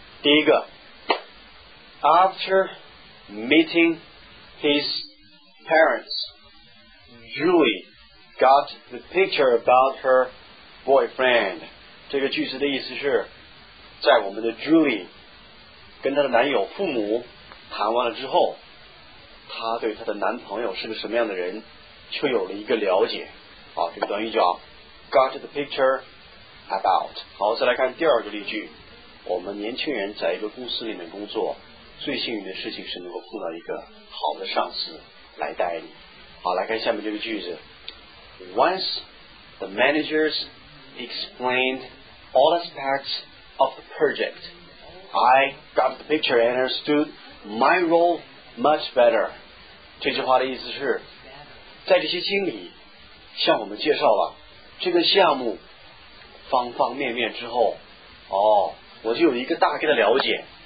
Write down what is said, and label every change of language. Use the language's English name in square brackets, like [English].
[Chinese] 第一个 [English] ，After meeting his parents, Julie got the picture about her boyfriend。 [Chinese] 这个句子的意思是，在我们的 Julie 跟她的男友父母谈完了之后，她对她的男朋友是个什么样的人？却有了一个了解。好，这个短语叫 got the picture about。好，再来看第二个例句。我们年轻人在一个公司里面工作，最幸运的事情是能够碰到一个好的上司来带你。好，来看下面这个句子。 [English] Once the managers explained all aspects of the project, I got the picture and understood my role much better。 [Chinese] 这句话的意思是在这些经理向我们介绍了这个项目方方面面之后，哦，我就有一个大概的了解。